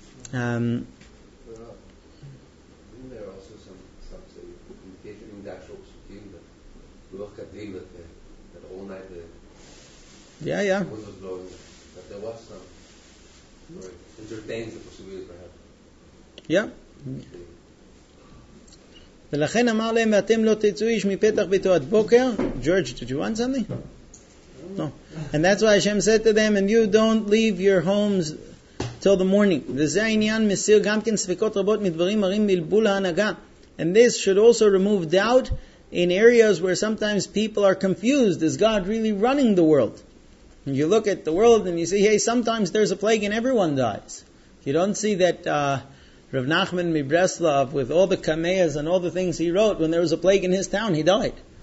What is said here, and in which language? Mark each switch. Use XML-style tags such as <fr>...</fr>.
<en>Isn't there also some say, communication in the actual Pesukim, that Ruach Kadim, that all night the wind was blowing, that there was some, or it entertains the possibility perhaps? Yeah.</en> <he>ולכן אמר להם, ואתם לא תצאו איש מפתח ביתו עד בוקר.</he> <en>George, did you want something? No. And that's why Hashem said to them, and you don't leave your homes till the morning.</en> <he>וזה העניין מסיר גם כן ספקות רבות מדברים מרים מלבול ההנהגה.</he> <en>And this should also remove doubt in areas where sometimes people are confused. Is God really running the world? And you look at the world and you see, hey, sometimes there's a plague and everyone dies. You don't see that... Rav Nachman Mibreslov, with all the kameas and all the things he wrote, when there was a plague in his town, he died.</en>